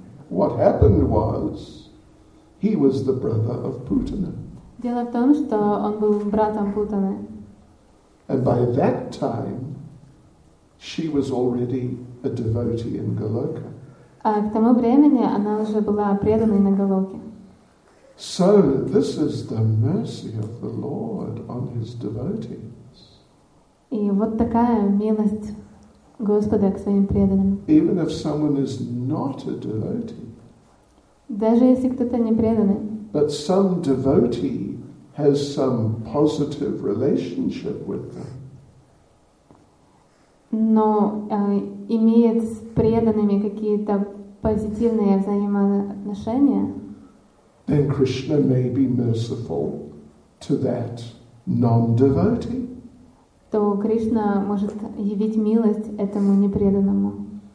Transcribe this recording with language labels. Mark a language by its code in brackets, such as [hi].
[en] What happened was, he was the brother of Putana. [ru] Дело в том, что он был братом Путаны. [en] And by that time, she was already a devotee in Goloka. [ru] А к тому времени она уже была преданной на Голоке. [en] So this is the mercy of the Lord on his devotees. [ru] И вот такая милость Господа к своим преданным. [en] Even if someone is not a devotee. [ru] Даже если кто-то не преданный. [en] But some devotee has some positive relationship with them. [ru] Но имеет с преданными какие-то позитивные взаимоотношения. [en] Then Krishna may be merciful to that non-devotee. [ru] То Кришна может явить милость этому непреданному.